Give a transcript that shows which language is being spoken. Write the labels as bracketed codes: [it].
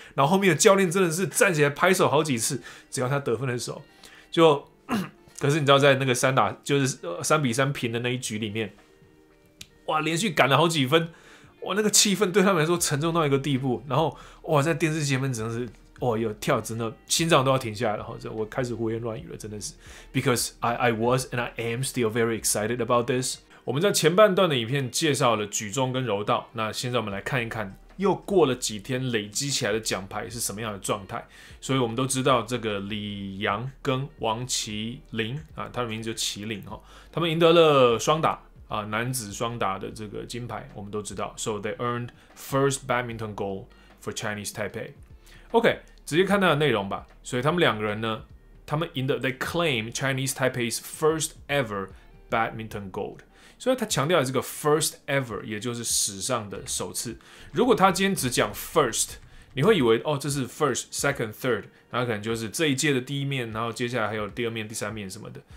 [zh] 然后后面的教练真的是站起来拍手好几次，只要他得分的时候，就可是你知道在那个3-3平的那一局里面。哇，连续赶了好几分，哇，那个气氛对他们来说沉重到一个地步。然后哇，在电视前面真的是，哇，有跳，真的心脏都要停下来了。我开始胡言乱语了，真的是。 [en] Because I was and I am still very excited about this。 [zh] 我们在前半段的影片介绍了举重跟柔道，那现在我们来看一看，又过了几天累积起来的奖牌是什么样的状态。所以我们都知道，这个李阳跟王麒麟啊，他的名字叫麒麟，他们赢得了双打。男子双打的这个金牌我们都知道。 [en] So they earned first badminton gold for Chinese Taipei. [zh] OK, 直接看他的内容吧。所以他们两个人呢，他们赢得 [en] they claim Chinese Taipei's first ever badminton gold. [zh] 所以他强调的这个 [en] first ever， [zh] 也就是史上的首次。如果他今天只讲 first， 你会以为哦，这是 first、second、third， 然后可能就是这一届的第一面，然后接下来还有第二面、第三面什么的。